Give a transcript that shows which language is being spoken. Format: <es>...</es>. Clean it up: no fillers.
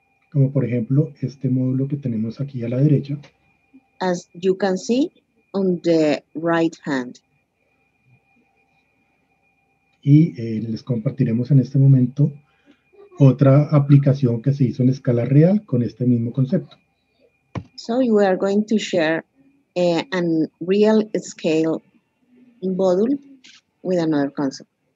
<es>Como por ejemplo, este módulo que tenemos aquí a la derecha.</es> <en>As you can see on the right hand.</en> <es>Y les compartiremos en este momento otra aplicación que se hizo en escala real con este mismo concepto.</es> <en>So you are going to share a real scale module with another concept.</en>